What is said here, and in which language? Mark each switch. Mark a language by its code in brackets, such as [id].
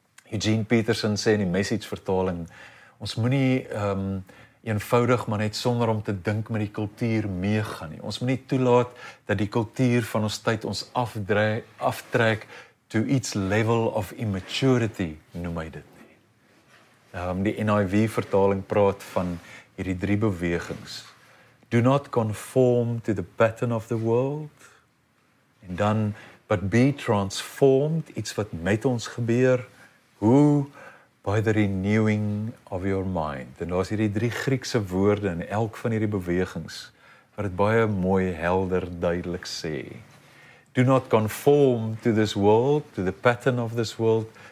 [af] Eugene Peterson sê in die Message vertaling, ons moenie eenvoudig maar net sonder om te dink met die kultuur meegaan nie. Ons moenie toelaat dat die kultuur van ons tyd ons aftrek [en] to its level of immaturity, [af] noem hy dit nie. Die NIV vertaling praat van hierdie drie bewegings. [en] Do not conform to the pattern of the world. [af] En dan, [en] but be transformed, [af] iets wat met ons gebeur. Hoe? [en] By the renewing of your mind. [af] En daar is hierdie drie Griekse woorde in elk van hierdie bewegings, wat het baie mooi, helder, duidelik sê. [en] Do not conform to this world, to the pattern of this world.